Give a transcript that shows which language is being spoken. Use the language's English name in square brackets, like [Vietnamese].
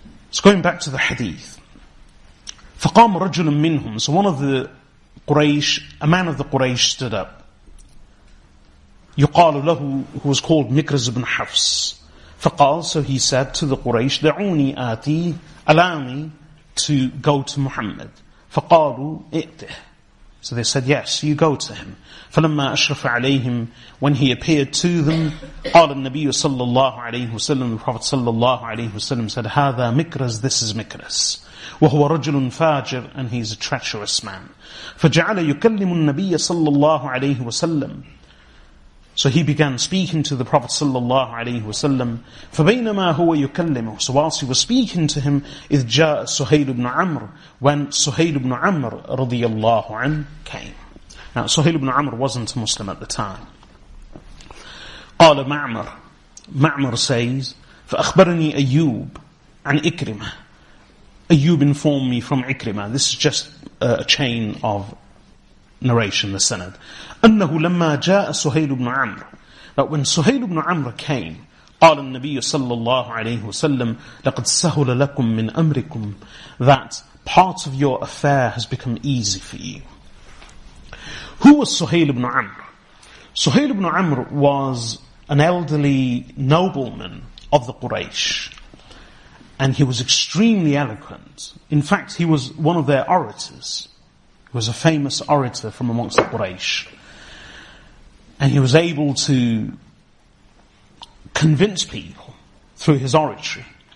[English] So going back to the hadith. [Arabic] فَقَامْ رَجُلٌ مِّنْهُمْ [English] So one of the Quraysh, a man of the Quraysh stood up. [Arabic] يُقَالُ لَهُ [English] Who was called Mikrz ibn Hafs. [Arabic] فَقَالْ [English] So he said to the Quraysh, [Arabic] دَعُونِي آتِي [English] Allow me to go to Muhammad. [Arabic] فَقَالُوا اِئْتِهِ [English] So they said, yes, you go to him. [Arabic] فَلَمَّا أَشْرَفَ عَلَيْهِمْ [English] When he appeared to them, [Arabic] قَالَ النَّبِيُّ صَلَّى اللَّهُ عَلَيْهُ وَسَلَّمُ [English] The Prophet [Arabic] صَلَّى اللَّهُ عَلَيْهُ وَسَلَّمُ [English] said, [Arabic] هَذَا مِكْرَزْ [English] This is [Arabic] مِكْرَزْ وَهُوَ رَجُلٌ فَاجِرٌ [English] And he is a treacherous man. [Arabic] فَجَعَلَ يُكَلِّمُ النَّبِيَّ صَلَّى اللَّهُ عَلَيْهُ وَسَلَّمُ [English] So he began speaking to the Prophet sallallahu alayhi wa sallam. [Arabic] فَبَيْنَمَا هُوَ يُكَلِّمُهُ [English] So whilst he was speaking to him, [Arabic] إِذْ جَاءَ سُهَيْلُ بْنُ عَمْرُ [English] When Suhail ibn Amr [Arabic] رَضِيَ اللَّهُ عَنْهُ [English] came. Now Suhail ibn Amr wasn't a Muslim at the time. [Arabic] قَالَ مَعْمَرْ [English] Ma'mar says, [Arabic] فَأَخْبَرَنِي أَيُّوب عَنْ إِكْرِمَةً [English] Ayyub informed me from Ikrimah. This is just a chain of narration, the Sanad. [Arabic] أَنَّهُ لَمَّا جَاءَ سُهَيْلُ بْنُ عَمْرُ [English] That when Suhail ibn Amr came, [Arabic] قَالَ النَّبِيُّ صَلَّى اللَّهُ عَلَيْهُ وَسَلَّمْ لَقَدْ سَهُلَ لَكُمْ مِنْ أَمْرِكُمْ [English] That part of your affair has become easy for you. Who was Suhail ibn Amr? Suhail ibn Amr was an elderly nobleman of the Quraysh. And he was extremely eloquent. In fact, he was one of their orators. Was a famous orator from amongst the Quraysh. And he was able to convince people through his oratory.